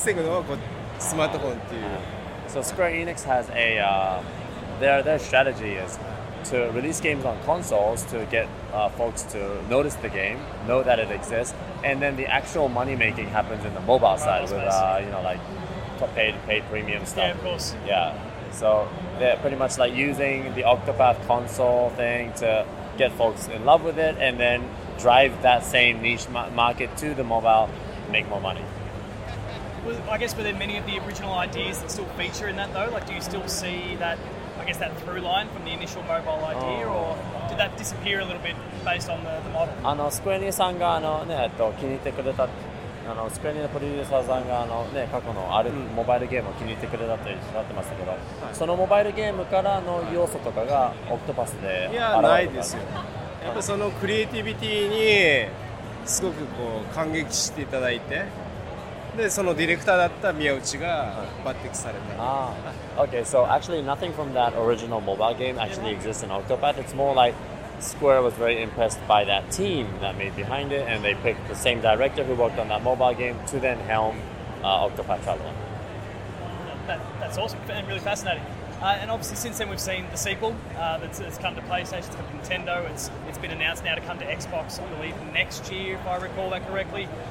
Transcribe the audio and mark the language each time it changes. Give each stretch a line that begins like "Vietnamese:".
Japanese: オクトパスってモバイル版もあるじゃないですか。やっぱりそれってそのやっぱり元はモバイルを作ってたからモバイル版も作ろうっていう、なんかどういったきっかけでオクトパスはモバイル版が出されたんですか？それはスクエニさんの戦略で、コンソールでブランド立ち上げてお金稼ぐのはスマートフォンっていう。So
English: Square Enix has a their strategy is to release games on consoles to get folks to notice the game, know that it exists, and then the actual money-making happens in the mobile side with, you know, like, paid premium stuff. Yeah, of course. Yeah. So they're pretty much, like, using the Octopath console thing to get folks in love with it and then drive that same niche market to the mobile, make more money. Well, I guess, were there many of the original ideas that still feature in that, though? Like, do you still see that I guess, that through line from the initial mobile idea, or did that disappear a little bit based on the model?
Japanese: スクエニさんが気に入ってくれたあのスクエニのプロデューサーさんがあのね過去のあるモバイルゲームを気に入ってくれたって言ってましたけど、そのモバイルゲームからの要素とかがオクトパスで、いやないですよ。やっぱそのクリエイティビティにすごくこう感激していただいて、でそのディレクターだった宮内が抜擢された
English: Okay, so actually nothing from that original mobile game actually exists in Octopath. It's more like Square was very impressed by that team that made behind it, and they picked the same director who worked on that mobile game to then helm Octopath Traveler. That's awesome and really fascinating. And obviously since then we've seen the sequel that's come to PlayStation, it's come to Nintendo, it's been announced now to come to Xbox, I believe, next year, if I recall that correctly.